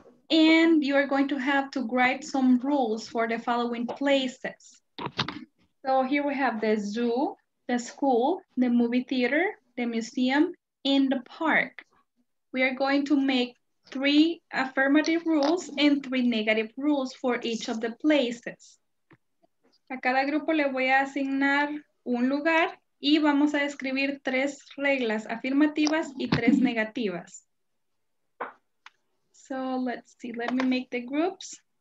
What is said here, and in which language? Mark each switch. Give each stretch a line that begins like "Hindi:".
English: And you are going to have to write some rules for the following places. So here we have the zoo, the school, the movie theater, the museum, and the park. We are going to make 3 affirmative rules and 3 negative rules for each of the places.
Spanish: A cada grupo le voy a asignar un lugar y vamos a escribir 3 reglas afirmativas y 3 negativas.
English: So let's see, let me make the groups.